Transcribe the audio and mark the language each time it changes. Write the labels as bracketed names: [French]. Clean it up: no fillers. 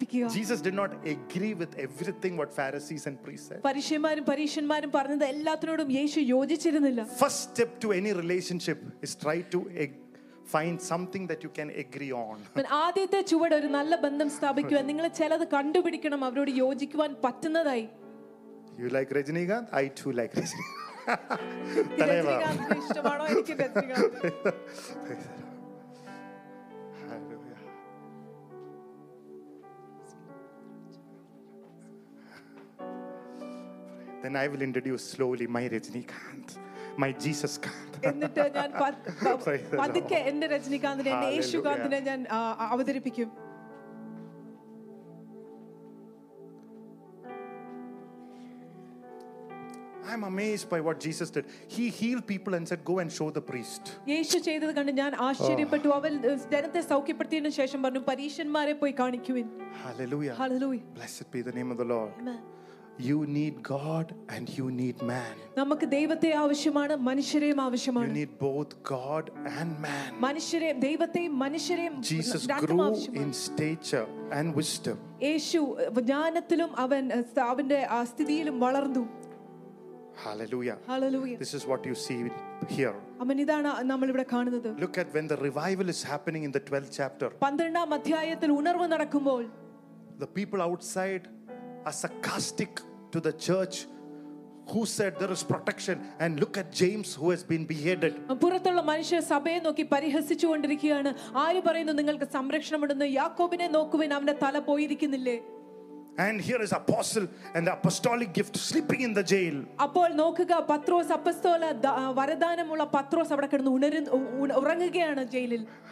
[English] Jesus did not agree with everything what Pharisees and priests said. [Malayalam] പരീശന്മാരും പരീശന്മാരും പറഞ്ഞത് എല്ലാത്തിനോടും യേശു യോജിച്ചിരുന്നില്ല. [English] First step to any relationship is try to find something that you can agree on. [Malayalam] When ആദ്യത്തെ ചുവട് ഒരു നല്ല ബന്ധം സ്ഥാപിക്കുക, നിങ്ങൾ ചിലത് കണ്ടുപിടിക്കണം അവരോട് യോജിക്കുവാൻ പറ്റുന്നതായി. [English] You like Rajinikanth? I too like [Malayalam] Rajinikanth. ഇഷ്ടമാണോ എനിക്ക് Rajinikanth? [English] Then I will introduce slowly my Rajinikanth, my Jesus Kanth. [Malayalam] എന്നിട്ട് ഞാൻ പതുക്കെ എന്റെ രജനീകാന്തിനെ, എന്റെ യേശുകാന്തിനെ ഞാൻ അവതരിപ്പിക്കും. [English] I'm amazed by what Jesus did. He healed people and said, go and show the priest. [Malayalam] യേശു ചെയ്തത് കണ്ട് ഞാൻ ആശ്ചര്യപ്പെട്ടു. അവൻ ജനത്തെ സൗഖ്യപ്പെടുത്തിയതിനു ശേഷം പറഞ്ഞു, പരീശന്മാരെ പോയി കാണിക്കുവിൻ. [English] Hallelujah. Hallelujah. Blessed be the name of the Lord. Amen. You need God and you need man. [Malayalam] നമുക്ക് ദൈവത്തെ ആവശ്യമാണ്, മനുഷ്യരെയും ആവശ്യമാണ്. [English] You need both God and man. [Malayalam] മനുഷ്യരെയും ദൈവത്തെയും മനുഷ്യരെയും. [English] Jesus grew in stature and wisdom. [Malayalam] യേശു ജ്ഞാനത്തിലും അവൻ അവന്റെ സ്ഥിതിയിലും വളർന്നു. [English] Hallelujah. Hallelujah. This is what you see here. [Malayalam] അമനിതാണ് നമ്മൾ ഇവിടെ കാണുന്നത്. [English] Look at when the revival is happening in the 12th chapter. [Malayalam] 12-ാം അധ്യായത്തിൽ ഉണർവ് നടക്കുമ്പോൾ, [English] the people outside are sarcastic to the church who said there is protection, and look at James who has been beheaded. [Malayalam] പുറത്തുള്ള മനുഷ്യ സഭയെ നോക്കി പരിഹസിച്ചുകൊണ്ടിരിക്കുകയാണ്. ആര് പറയുന്നു നിങ്ങൾക്ക് സംരക്ഷണം ഉണ്ടെന്ന്? യാക്കോബിനെ നോക്കുവിൻ, അവന്റെ തല പോയിരിക്കുന്നില്ലേ? [English] And here is apostle and the apostolic gift sleeping in the jail. [Malayalam] അപ്പോൾ നോക്കുക, പത്രോസ് അപ്പോസ്തല വരദാനമുള്ള പത്രോസ് അവിടെ കിടന്ന് ഉറങ്ങുകയാണ് ജയിലിൽ.